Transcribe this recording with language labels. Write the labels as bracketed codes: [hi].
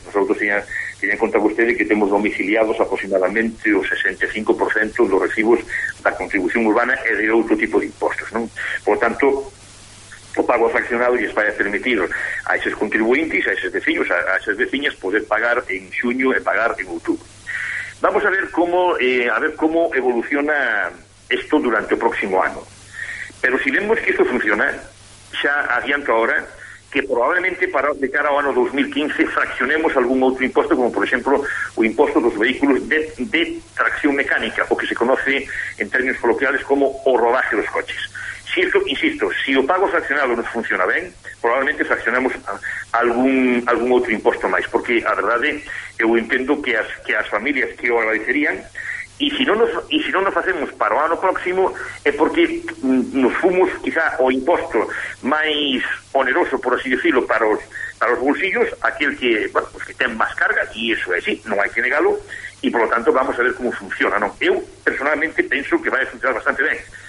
[gl] Nosotros teñan conta vostedes que temos domiciliados aproximadamente o 65% dos recibos da contribución urbana e de outro tipo de impostos, non? Por tanto, o pago fraccionado e vai a permitir a eses contribuintes, a eses veciños, a eses veciñas poder pagar en xuño e pagar en outubro. Vamos a ver como evoluciona isto durante o próximo ano. [es] Pero si vemos que esto funciona, ya adianto ahora que probablemente para de cara al año 2015 fraccionemos algún otro impuesto, como por ejemplo el impuesto de los vehículos de tracción mecánica, o que se conoce en términos coloquiales como o rodaje de los coches. Si esto, insisto, si el pago fraccionado no funciona bien, probablemente fraccionemos algún otro impuesto más, porque la verdad yo entiendo que las familias que lo agradecerían. Y si no nos hacemos para [gl] o ano próximo, é porque nos fomos quizá o imposto máis oneroso, por así decirlo, para os bolsillos, aquel que, bueno, pues que ten máis carga, e iso é así, non hai que negalo, e [es] por lo tanto [gl] vamos a ver como funciona, ¿no? Eu personalmente penso que vai a funcionar bastante ben.